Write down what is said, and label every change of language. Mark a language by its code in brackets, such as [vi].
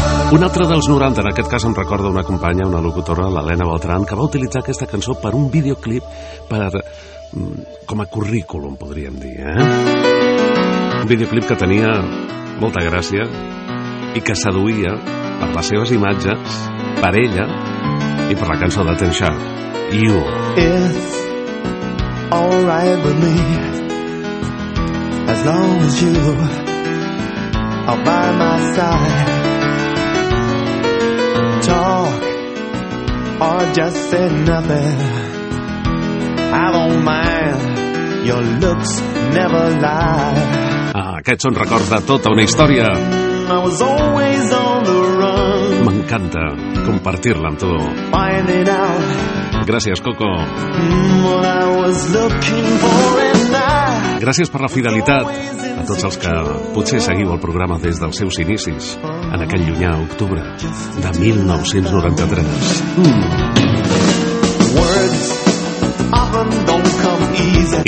[ca] Un altre dels 90, en aquest cas em recorda una companya, una locutora, l'Helena Beltrán, que va utilitzar aquesta cançó per un videoclip, per, com a currículum, podríem dir. Un videoclip que tenia molta gràcia i que seduïa per les seves imatges, per ella i per la cançó de Ten Sharp. [en] You. It's all right with me, as long as you are by my side. Talk or just say nothing, I don't mind, your looks never lie. [ca] Ah, aquests són records de tota una història. [en] I was always on the run. [ca] M'encanta compartir-la amb tu. [en] Finding out. [ca] Gràcies, Coco. [en] For, [ca] gràcies per la fidelitat a tots els que potser seguiu el programa des dels seus inicis en aquell llunyà octubre de 1993. [en] Words often don't come easy.